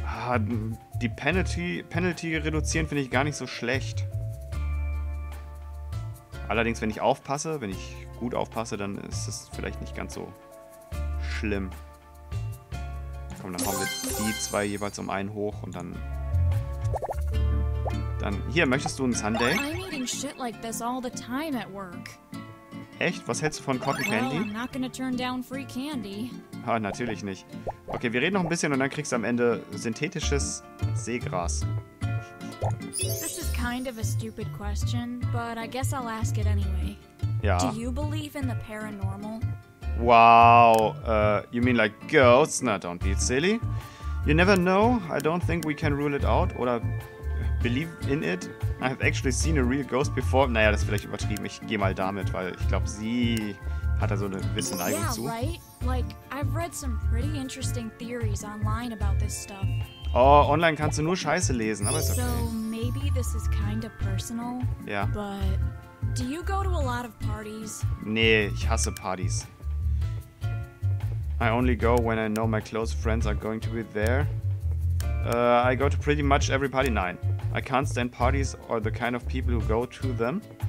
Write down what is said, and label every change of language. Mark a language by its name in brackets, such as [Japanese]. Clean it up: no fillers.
[German] Die Penalty reduzieren finde ich gar nicht so schlecht. Allerdings, wenn ich aufpasse, wenn ich gut aufpasse, dann ist es vielleicht nicht ganz so schlimm. Komm, dann hauen wir die zwei jeweils um einen hoch und dann... Dann... Hier, möchtest du ein Sunday? [English] I'm eating shit like this all the time at work. [German] Echt? Was hältst du von Cotton Candy? [English] Well, I'm not gonna turn down free candy. [German] Ha, natürlich nicht. Okay, wir reden noch ein bisschen und dann kriegst du am Ende synthetisches Seegras. [English] This is kind of a stupid question, but I guess I'll ask it anyway. Yeah. Do you believe in the paranormal? Wow, you mean like ghosts? No, don't be silly. You never know. I don't think we can rule it out or believe in it. I have actually seen a real ghost before. [German] Naja, das ist vielleicht übertrieben. Ich gehe mal damit, weil ich glaube, sie hat da so eine gewisse Neigung zu. [English] Yeah, right? Like, I've read some pretty interesting theories online about this stuff. [German] Oh, online kannst du nur Scheiße lesen, aber ist okay. [English] So, maybe this is kind of personal. Yeah. But do you go to a lot of parties? [German] Nee, ich hasse Partys. [English] I only go when I know my close friends are going to be there. I go to pretty much every party. [German] Nein. [English] I can't stand parties or the kind of people who go to them.